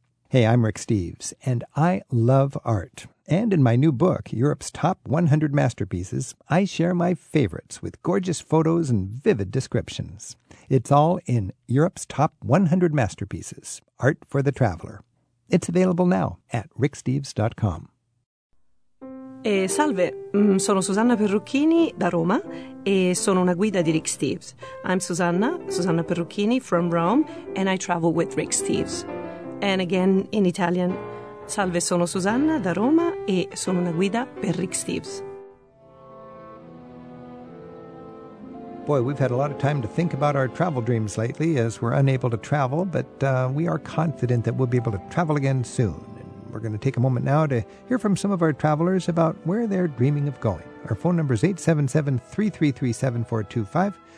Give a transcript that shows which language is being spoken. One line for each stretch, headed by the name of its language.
English: Hey, I'm Rick Steves, and I love art. And in my new book, Europe's Top 100 Masterpieces, I share my favorites with gorgeous photos and vivid descriptions. It's all in Europe's Top 100 Masterpieces, Art for the Traveler. It's available now at ricksteves.com.
Italian: Salve, sono Susanna Perrucchini da Roma e sono una guida di Rick Steves.
English: I'm Susanna Perrucchini from Rome, and I travel with Rick Steves. And again in Italian,
Italian: salve, sono Susanna da Roma e sono una guida per Rick Steves.
English: Boy, we've had a lot of time to think about our travel dreams lately as we're unable to travel, but we are confident that we'll be able to travel again soon. And we're going to take a moment now to hear from some of our travelers about where they're dreaming of going. Our phone number is 877-333-7425.